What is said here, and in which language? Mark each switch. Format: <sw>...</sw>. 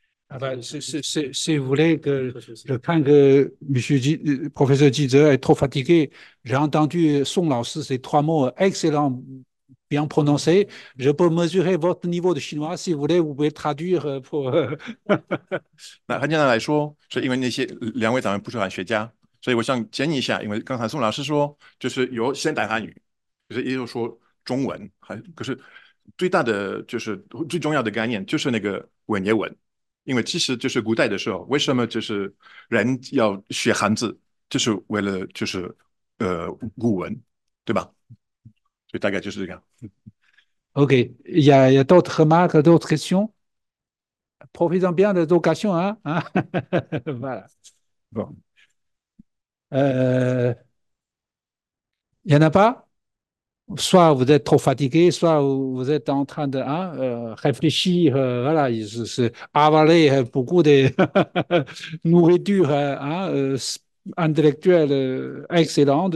<fr>Ah ben, si vous voulez, je crains que le professeur Dieter est trop fatigué. J'ai entendu son lance, ces trois mots excellents, bien prononcés. Je peux mesurer votre niveau de chinois. Si vous voulez, vous pouvez traduire pour.</fr> <zh>那很简单来说，是因为那些两位咱们不是汉学家，所以我想建议一下，因为刚才宋老师说，就是有现代汉语，就是也有说中文，还可是最大的就是最重要的概念就是那个文言文，因为其实就是古代的时候，为什么就是人要学汉字，就是为了就是古文，对吧？所以大概就是这样。</zh> <fr>OK, il y a d'autres remarques, d'autres questions? Profitons bien de l'occasion, hein? Voilà. Bon. Il n'y en a pas? soit vous êtes trop fatigué, soit vous êtes en train de réfléchir, voilà, avaler beaucoup de nourriture intellectuelle excellente.</fr>